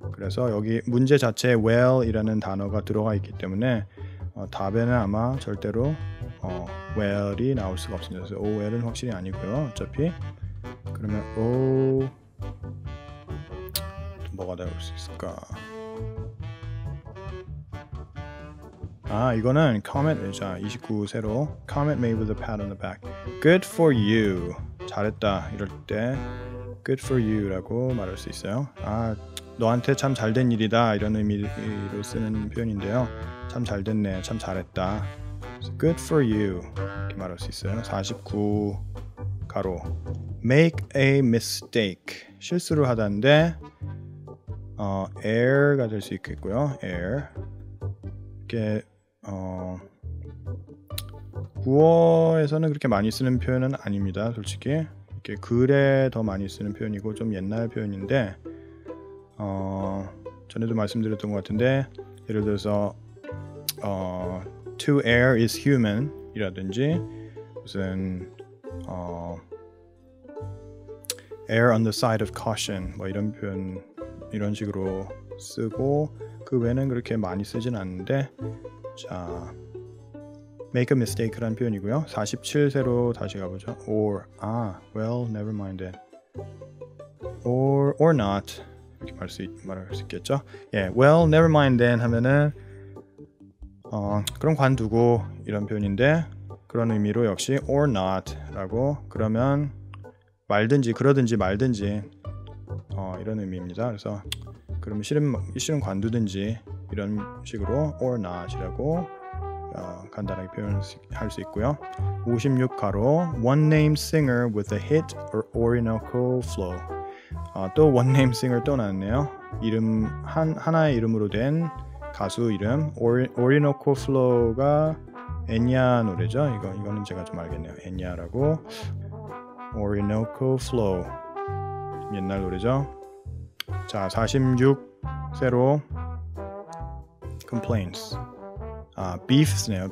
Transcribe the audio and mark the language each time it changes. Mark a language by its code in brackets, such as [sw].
[ko] 그래서 여기 문제 자체에 well 이라는 단어가 들어가 있기 때문에 답에는 아마 절대로 well이 나올 수가 없습니다. 그래서 [en] oh well [ko] 은 확실히 아니고요. 어차피 그러면 oh 뭐가 나올 수 있을까? 아 이거는 [en] comment [ko] 자 29세로 [en] comment made with a pat on the back. Good for you. [ko] 잘했다 이럴 때 [en] good for you [ko] 라고 말할 수 있어요. 아 너한테 참 잘된 일이다 이런 의미로 쓰는 표현인데요. 참 잘됐네 참 잘했다. [en] So good for you [ko] 이렇게 말할 수 있어요. 49 가로 [en] make a mistake [ko] 실수를 하다인데 error가 될 수 있겠고요. error 이렇게 구어에서는 그렇게 많이 쓰는 표현은 아닙니다. 솔직히 이렇게 글에 더 많이 쓰는 표현이고 좀 옛날 표현인데 전에도 말씀드렸던 것 같은데 예를 들어서 [en] to err is human [ko] 이라든지 무슨 [en] err on the side of caution [ko] 뭐 이런 표현 이런 식으로 쓰고 그 외에는 그렇게 많이 쓰진 않는데 자 [en] make a mistake [ko] 라는 표현이고요. 47세로 다시 가보죠. [en] or 아 well never mind it or not [ko] 이렇게 말할 수 있겠죠. 예, [en] yeah, well, never mind then [ko] 하면은 그럼 관두고 이런 표현인데 그런 의미로 역시 [en] or not [ko] 라고 그러면 말든지 그러든지 말든지 이런 의미입니다. 그래서 그러면 싫으면 관두든지 이런 식으로 [en] or not [ko] 이라고 간단하게 표현할 수 있고요. [en] 56가로 one name singer with a hit or Orinoco flow [ko] 또 원네임 싱어 또 나왔네요. 이름 하나의 이름으로 된 가수 이름 오리노코 플로우가 엔야 노래죠. 이거는 제가 좀 알겠네요. 엔야라고 오리노코 플로우 옛날 노래죠. 자 46세로 complaints 아 beefs네요.